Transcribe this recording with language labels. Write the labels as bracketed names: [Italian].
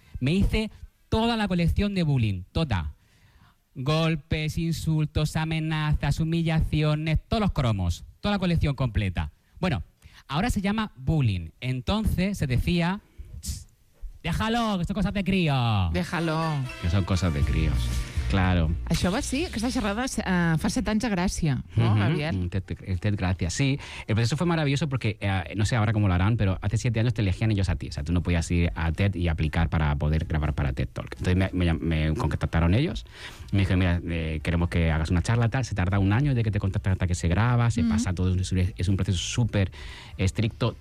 [Spanish] Me hice toda la colección de bullying, toda. Golpes, insultos, amenazas, humillaciones, todos los cromos, toda la colección completa. Bueno, ahora se llama bullying. Entonces se decía, déjalo, que son cosas de crío. Déjalo. Que son cosas de críos. Claro. [Catalan] Això va ser, aquesta xerrada, fa 7 anys de gràcia, no, Gabriel? Té gràcia, sí. [Spanish] El proceso fue maravilloso porque, no sé ahora cómo lo harán, pero hace 7 años te elegían ellos a ti. O sea, tú no podías ir a TED y aplicar para poder grabar para TED Talk. Entonces me contactaron ellos, me dijeron, mira, queremos que hagas una charla, tal. Se tarda un año de que te contactan hasta que se graba, se pasa todo. Es un proceso súper estricto.